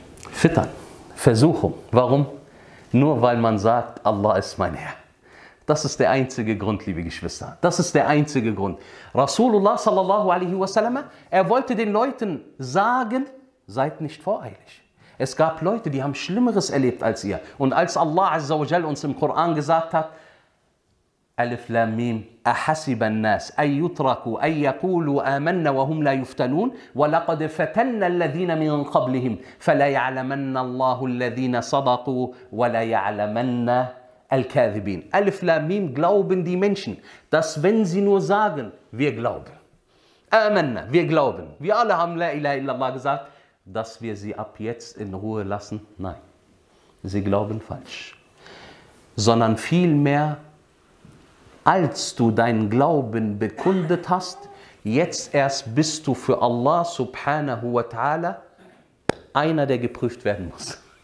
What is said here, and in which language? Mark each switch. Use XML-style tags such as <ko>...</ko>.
<de>Fittern, Versuchung. Warum? Nur weil man sagt, Allah ist mein Herr. Das ist der einzige Grund, liebe Geschwister. Das ist der einzige Grund. Rasulullah sallallahu alaihi wasallam, er wollte den Leuten sagen, seid nicht voreilig. Es gab Leute, die haben Schlimmeres erlebt als ihr. Und als Allah azza wa jalla uns im Koran gesagt hat,</de> <ar>Alif Lam Mim, أحسب الناس أن يتركوا أن يقولوا آمنا وهم لا يفتنون ولقد فتنا الذين من قبلهم فلا يعلمن الله الذين صدقوا ولا يعلمن الكاذبين.</ar> <de>Alif Lam Mim, glauben die Menschen, dass wenn sie nur sagen, wir glauben, آمنا, wir glauben, wir alle haben La ilaha illallah gesagt, dass wir sie ab jetzt in Ruhe lassen? Nein, sie glauben falsch. Sondern vielmehr, als du deinen Glauben bekundet hast, jetzt erst bist du für Allah subhanahu wa ta'ala einer, der geprüft werden muss.</de>